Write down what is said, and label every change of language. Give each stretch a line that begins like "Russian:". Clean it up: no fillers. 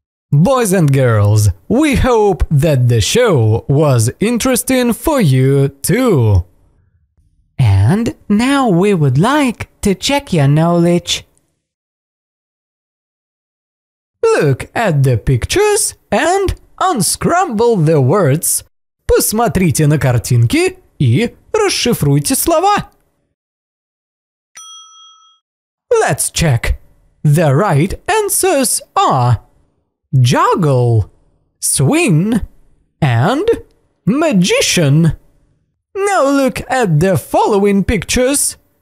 English: Boys and girls, we hope that the show was interesting for you too. And now we would like to check your knowledge. Look at the pictures and unscramble the words.
Russian: Посмотрите на картинки и расшифруйте слова.
English: Let's check. The right answers are juggle, swing, and magician. Now look at the following pictures.